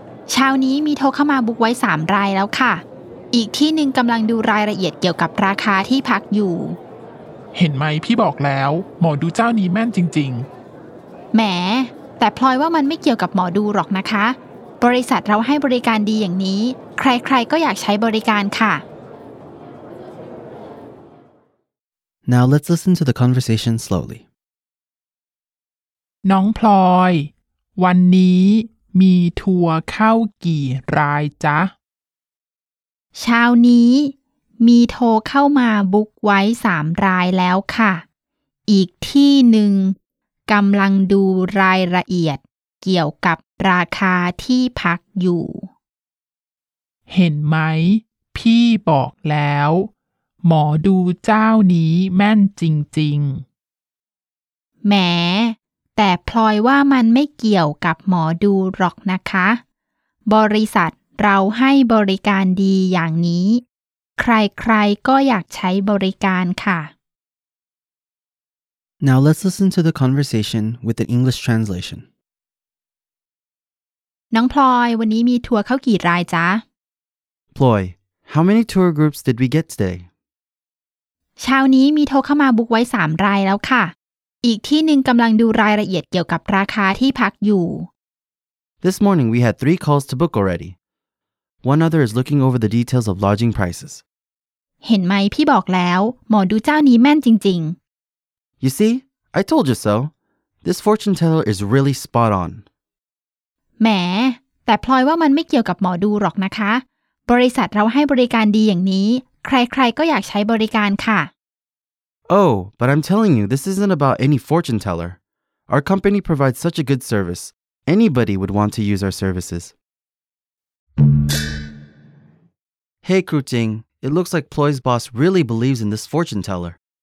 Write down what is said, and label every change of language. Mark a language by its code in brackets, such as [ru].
[th] เช้านี้มีโทรเข้ามาบุ๊กไว้3รายแล้วค่ะอีกที่นึงกำลังดูรายละเอียดเกี่ยวกับราคาที่พักอยู่เห็นไหมพี่บอกแล้วหมอดูเจ้านี้แม่นจริง ๆแหมแต่พลอยว่ามันไม่เกี่ยวกับหมอดูหรอกนะคะบริษัทเราให้บริการดีอย่างนี้ใครๆก็อยากใช้บริการค่ะ [en] Now let's listen to the conversation slowly [th] น้องพลอยวันนี้มีทัวร์เข้ากี่รายจ๊ะ เช้านี้มีโทรเข้ามาบุ๊กไว้3รายแล้วค่ะอีกที่หนึ่งกำลังดูรายละเอียดเกี่ยวกับราคาที่พักอยู่เห็นไหมพี่บอกแล้วหมอดูเจ้านี้แม่นจริง ๆแหมแต่พลอยว่ามันไม่เกี่ยวกับหมอดูหรอกนะคะบริษัทเราให้บริการดีอย่างนี้ใครๆก็อยากใช้บริการค่ะ [en] Now let's listen to the conversation with an English translation [th] น้องพลอยวันนี้มีทัวร์เข้ากี่รายจ๊ะ [en] Ploy, how many tour groups did we get today? [th] เช้านี้มีโทรเข้ามาบุ๊กไว้3รายแล้วค่ะอีกที่หนึ่งกำลังดูรายละเอียดเกี่ยวกับราคาที่พักอยู่ [en] This morning we had 3 calls to book already. One other is looking over the details of lodging prices. [th] เห็นไหมพี่บอกแล้วหมอดูเจ้านี้แม่นจริง [en] ๆ You see? I told you so. This fortune teller is really spot on. [th] แหมแต่พลอยว่ามันไม่เกี่ยวกับหมอดูหรอกนะคะบริษัทเราให้บริการดีอย่างนี้ใครๆก็อยากใช้บริการค่ะ [en] Oh, but I'm telling you, this isn't about any fortune teller. Our company provides such a good service. Anybody would want to use our services. Hey, Kru Ting. It looks like Ploy's boss really believes in this fortune teller.